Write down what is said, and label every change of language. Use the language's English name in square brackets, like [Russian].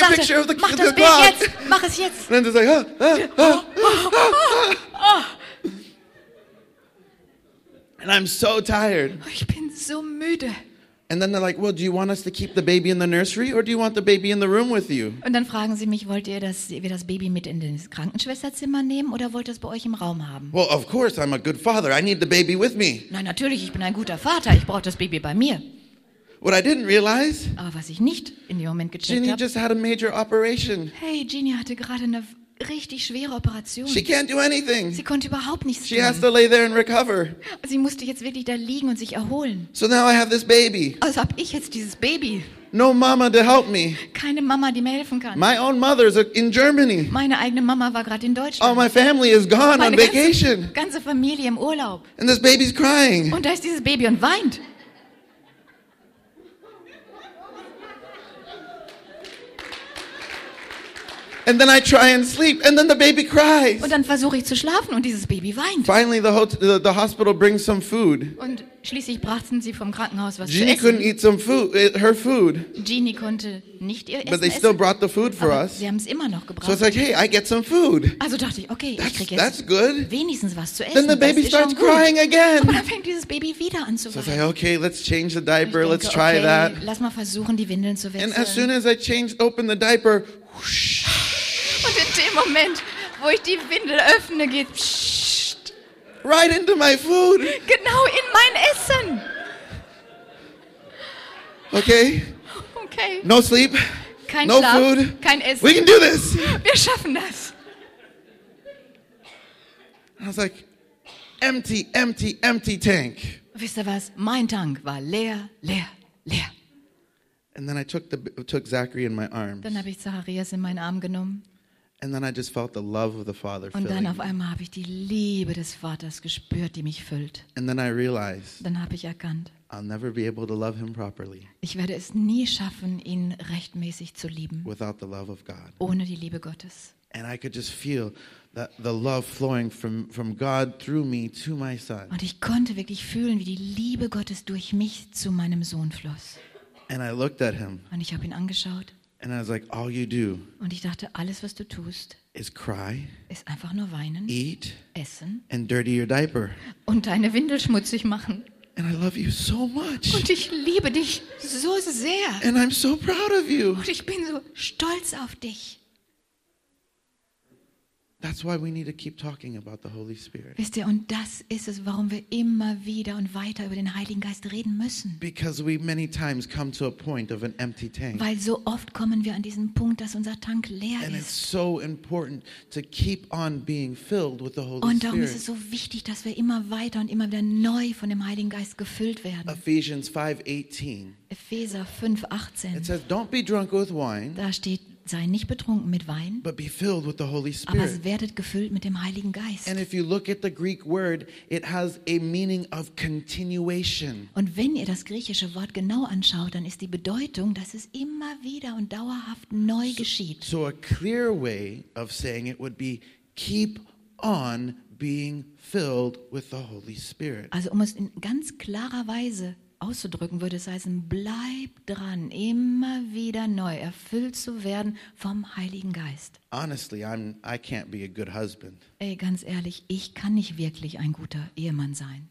[German] sagte, [English] a picture of the [German] mach [English] the [German] das [English] clock. [German] Bild jetzt, mach es jetzt. [English] And then they're like, And I'm so tired. [German] Ich bin so müde. [English] And then they're like, well, do you want us to keep the baby in the nursery or do you want the baby in the room with you? [German] Und dann fragen sie mich, wollt ihr, dass wir das Baby mit in das Krankenschwesterzimmer nehmen oder wollt ihr es bei euch im Raum haben? [English] Well, of course, I'm a good father. I need the baby with me. [German] Nein, natürlich, ich bin ein guter Vater. Ich brauche das Baby bei mir. [English] What I didn't realize? [German] Aber was ich nicht in dem Moment gecheckt habe. [English] Ginny just had a major operation. [German] Hey, Ginny hatte gerade eine richtig schwere Operation. [English] She can't do anything. [German] Sie konnte überhaupt nichts tun. [English] She has to lay there and recover. [German] Sie musste jetzt wirklich da liegen und sich erholen. [English] So now I have this baby. [German] Also hab ich jetzt dieses Baby. [English] No mama to help me. [German] Keine Mama, die mir helfen kann. [English] My own mother is in Germany. [German] Meine eigene Mama war gerade in Deutschland. [English] All my family is gone [German] Meine ganze, [English] vacation. [German] Ganze Familie im Urlaub. [English] And this baby's crying. [German] Und da ist dieses Baby und weint. [English] And then I try and sleep, and then the baby cries. [German] Und dann versuche ich zu schlafen, und dieses Baby weint. [English] Finally, the hospital brings some food. [German] Und schließlich brachten sie vom Krankenhaus was Ginny zu essen. [English] Couldn't eat some food, her food. [German] Ginny konnte nicht ihr Essen. [English] But they still [German] essen. [English] Brought the food for [German] Aber [English] us. [German] Sie haben es immer noch gebracht. [English] So it's like, hey, I get some food. [German] Also dachte ich, okay, [English] that's, [German] ich kriege jetzt [English] that's good. [German] Wenigstens was zu essen. [English] Then the baby [German] das [English] starts crying again. [German] Und dann fängt dieses Baby wieder an zu weinen. [English] So it's like, okay, let's change the diaper, [German] denke, [English] let's try [German] okay, [English] that. [German] Lass mal versuchen, die Windeln zu wechseln. [English] And as soon as I change, open the diaper, whoosh, [German] und in dem Moment, wo ich die Windel öffne, geht pssst, [English] right into my food. [German] Genau in mein Essen. [English] Okay. [German] Okay. [English] No sleep. [German] Kein [English] no [German] Schlaf. [English] No food. [German] Kein Essen. [English] We can do this. [German] Wir schaffen das. [English] I was like, empty, empty, empty tank. [German] Wisst ihr was? Mein Tank war leer, leer, leer. [English] And then I took Zachary in my arms. [German] Dann habe ich Zacharias in meinen Arm genommen. [English] And then I just felt the love of the Father [German] Und dann [English] filling [German] auf einmal habe ich die Liebe des Vaters gespürt, die mich füllt. [English] And then I realized, [German] dann habe ich erkannt, [English] I'll never be able to love him properly. [German] Ich werde es nie schaffen, ihn rechtmäßig zu lieben. [English] Without the love of God. [German] Ohne die Liebe Gottes. [English] And I could just feel that the love flowing from God through me to my son. [German] Und ich konnte wirklich fühlen, wie die Liebe Gottes durch mich zu meinem Sohn floss. [English] And I looked at him. [German] Und ich habe ihn angeschaut. [English] And I was like, all you do [German] und ich dachte, alles, was du tust, [English] is cry, [German] ist einfach nur weinen, [English] eat, [German] essen [English] and dirty your diaper. [German] Und deine Windel schmutzig machen. [English] And I love you so much. [German] Und ich liebe dich so sehr. [English] And I'm so proud of you. [German] Und ich bin so stolz auf dich. [English] That's why we need to keep talking about the Holy Spirit. [German] Wisst ihr, und das ist es, warum wir immer wieder und weiter über den Heiligen Geist reden müssen. [English] Because we many times come to a point of an empty tank. [German] Weil so oft kommen wir an diesen Punkt, dass unser Tank leer ist. [English] And it's so important to keep on being filled with the Holy Spirit. [German] Und darum ist es so wichtig, dass wir immer weiter und immer wieder neu von dem Heiligen Geist gefüllt werden. [English] Ephesians 5:18. [German] Epheser 5:18. [English] It says, "Don't be drunk with wine." [German] Da steht, sei nicht betrunken mit Wein, [English] but be filled with the Holy Spirit. [German] Aber werdet gefüllt mit dem Heiligen Geist. [English] And if you look at the Greek word, it has a meaning of continuation. [German] Und wenn ihr das griechische Wort genau anschaut, dann ist die Bedeutung, dass es immer wieder und dauerhaft neu geschieht. [English] So a clear way of saying it would be keep on being filled with the Holy Spirit. [German] Also um es in ganz klarer Weise auszudrücken würde, es heißen, bleib dran, immer wieder neu erfüllt zu werden vom Heiligen Geist. [English] Honestly, I can't be a good husband. [German] Ey, ganz ehrlich, ich kann nicht wirklich ein guter Ehemann sein.